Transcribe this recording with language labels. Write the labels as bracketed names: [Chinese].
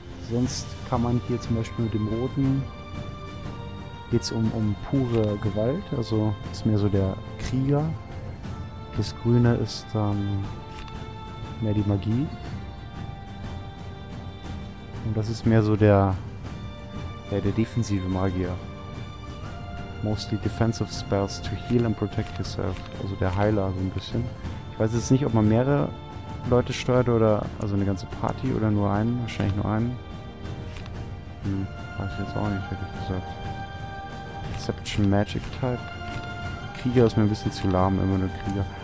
[German] Sonst kann man hier zum Beispiel mit dem Roten geht es um pure Gewalt, also ist mehr so der Krieger. Das Grüne ist dann mehr die Magie. Und das ist mehr so der defensive Magier. [English] Mostly defensive spells to heal and protect yourself. [German] Also der Heiler so ein bisschen. Ich weiß jetzt nicht, ob man mehrere Leute steuert oder also eine ganze Party oder nur einen. Wahrscheinlich nur einen. Weiß ich jetzt auch nicht, hätte ich gesagt. [English] Deception Magic Type. [German] Krieger ist mir ein bisschen zu lahm, immer nur Krieger.